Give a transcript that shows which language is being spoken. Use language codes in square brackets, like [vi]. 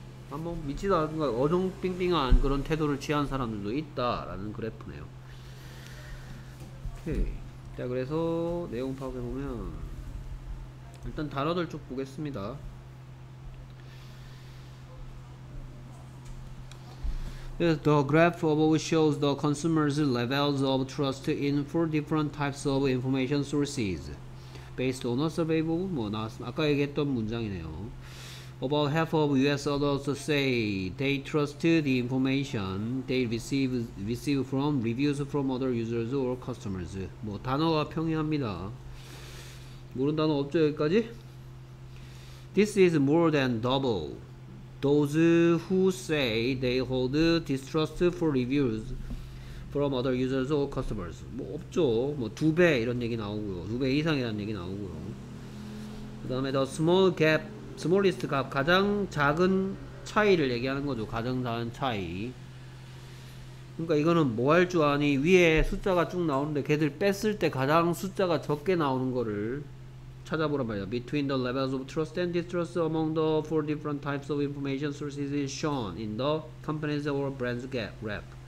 [ko] 한번 믿지도 않고 어정빙빙한 그런 태도를 취한 사람들도 있다라는 그래프네요. 오케이. 자, 그래서 내용 파악해 보면 일단 단어들 쭉 보겠습니다. 그래서 [en] the graph above shows the consumers' levels of trust in four different types of information sources. Based on a survey of, [ko] 뭐, 아까 얘기했던 문장이네요. [en] About half of US adults say they trust the information they receive from reviews from other users or customers. [ko] 뭐, 단어가 평이합니다. 모르는 단어 없죠, 여기까지? [en] This is more than double those who say they hold distrust for reviews from other users or customers. [ko] 뭐 없죠. 뭐 두 배 이런 얘기 나오고요. 두 배 이상이라는 얘기 나오고요. 그 다음에 [en] the small gap, smallest gap, [ko] 가장 작은 차이를 얘기하는 거죠. 가장 작은 차이. 그러니까 이거는 뭐 할 줄 아니, 위에 숫자가 쭉 나오는데 걔들 뺐을 때 가장 숫자가 적게 나오는 거를 찾아보란 말이야. [en] Between the levels of trust and distrust among the four different types of information sources is shown in the companies or brands gap graph.